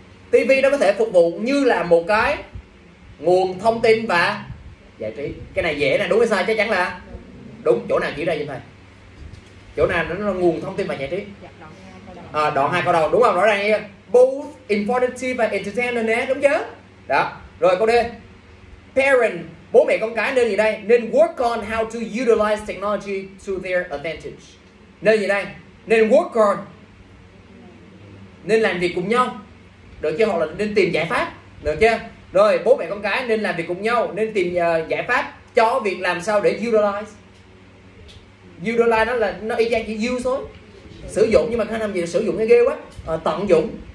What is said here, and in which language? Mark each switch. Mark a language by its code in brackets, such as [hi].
[vi] TV nó có thể phục vụ như là một cái nguồn thông tin và giải trí. Cái này dễ nè, đúng hay sai? Chắc chắn là đúng. Chỗ nào chỉ ra vậy thầy? Chỗ nào nó là nguồn thông tin và giải trí? Đoạn 2 câu đầu. Đúng không? Rõ ràng nha. [en] Both informative and entertainment. [vi] Đúng chứ? Đó. Rồi câu D. Parent, bố mẹ con cái nên gì đây? Nên [en] work on how to utilize technology to their advantage. [vi] Nên gì đây? Nên [en] work on. [vi] Nên làm việc cùng nhau. Được chưa? Hoặc là nên tìm giải pháp. Được chưa? Rồi bố mẹ con cái nên làm việc cùng nhau, nên tìm giải pháp cho việc làm sao để utilize. Utilize nó là nó y chang chỉ use thôi, sử dụng, nhưng mà khả năng gì sử dụng nghe ghê quá, tận dụng.